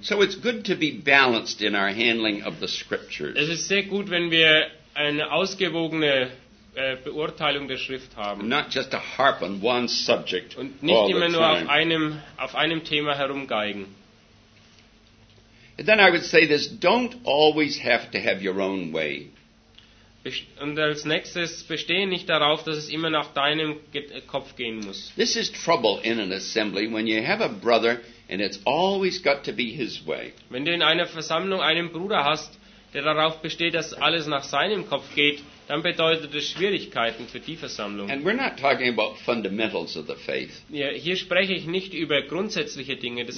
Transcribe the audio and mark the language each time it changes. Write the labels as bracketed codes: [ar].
[en] So it's good to be balanced in our handling of the scriptures. [de] Es ist sehr gut, wenn wir eine ausgewogene Beurteilung der Schrift haben. [en] Not just to harp on one subject [de] und nicht immer nur auf einem Thema herumgeigen. [en] And then I would say this, don't always have to have your own way. [de] Und als nächstes, bestehe nicht darauf, dass es immer nach deinem Kopf gehen muss. [en] This is trouble in an assembly when you have a brother and it's always got to be his way. [de] Wenn du in einer Versammlung einen Bruder hast, der darauf besteht, dass alles nach seinem Kopf geht, dann bedeutet es Schwierigkeiten für die Versammlung. [en] And we're not talking about fundamentals of the faith. [de] Ja, hier spreche ich nicht über grundsätzliche Dinge des